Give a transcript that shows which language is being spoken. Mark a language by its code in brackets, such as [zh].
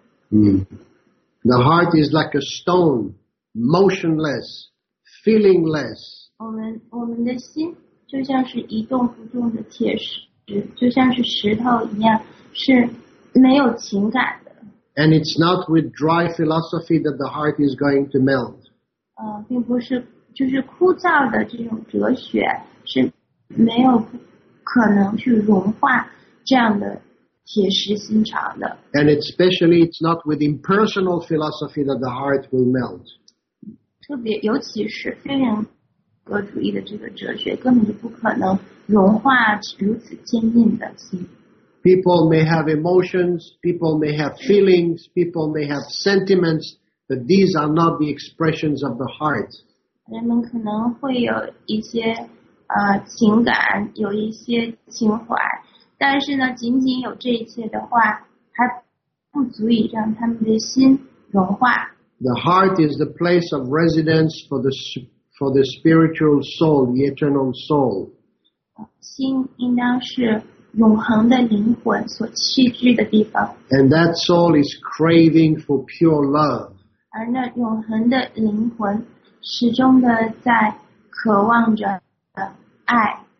[en] The heart is like a stone, motionless, feelingless. [zh] 我们的心就像是一动不动的铁石，就像是石头一样，是没有情感的。 [en] And it's not with dry philosophy that the heart is going to melt. [zh] 并不是就是枯燥的这种哲学是没有可能去融化这样的。 [en] And especially, it's not with impersonal philosophy that the heart will melt. [zh] 特别尤其是非人格主义的这个哲学，根本就不可能融化如此坚硬的心。 [en] People may have emotions, people may have feelings, people may have sentiments, but these are not the expressions of the heart. [zh] 人们可能会有一些情感，有一些情怀。但是呢，仅仅有这一切的话，还不足以让他们的心融化。 [en] The heart is the place of residence for the spiritual soul, the eternal soul. [zh] 心应当是永恒的灵魂所栖居的地方。 [en] And that soul is craving for pure love. [zh] 而那永恒的灵魂始终的在渴望着爱。